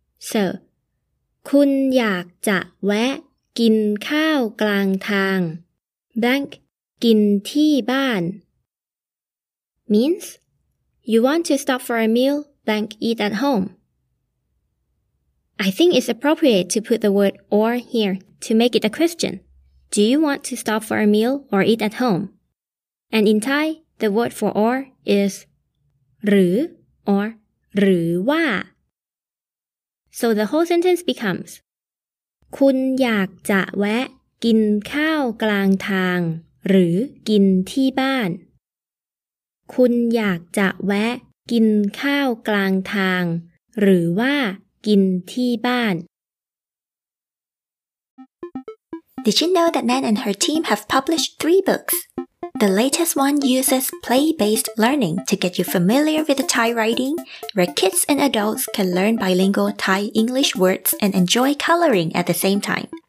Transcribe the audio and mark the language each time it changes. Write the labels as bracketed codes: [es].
[th] So, คุณอยากจะแวะกินข้าวกลางทาง [en] blank [th] กินที่บ้าน [en] means you want to stop for a meal blank eat at home I think it's appropriate to put the word or here to make it a question do you want to stop for a meal or eat at home and in Thai the word for or is [th] หรือ [en] or [th] หรือว่า [en] so the whole sentence becomes [th] คุณอยากจะแวะกินข้าวกลางทางหรือกินที่บ้านคุณอยากจะแวะกินข้าวกลางทางหรือว่ากินที่บ้าน [en] Did you know that Nan and her team have published 3 books? The latest one uses play-based learning to get you familiar with the Thai writing, where kids and adults can learn bilingual Thai English words and enjoy coloring at the same time.